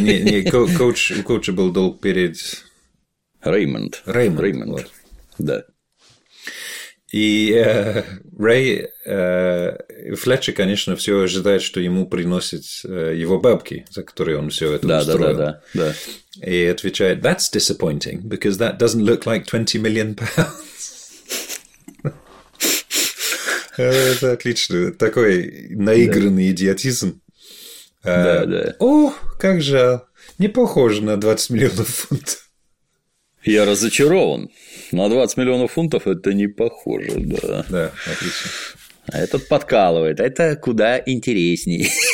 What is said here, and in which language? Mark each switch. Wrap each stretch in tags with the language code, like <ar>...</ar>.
<ru>Не, у коуча был долг перед... Реймонд. Вот. Да. И Рэй, Флетчер, конечно, все ожидает, что ему приносят его бабки, за которые он все это устроил. Да. И отвечает,</ru> <en>that's disappointing, because that doesn't look like 20 million pounds.</en> <ru>Это отлично. Такой наигранный идиотизм. Да. О, как жаль, не похоже на 20 миллионов фунтов. Я разочарован. На 20 миллионов фунтов это не похоже, да. Да, отлично. А этот подкалывает, это куда интересней.</ru>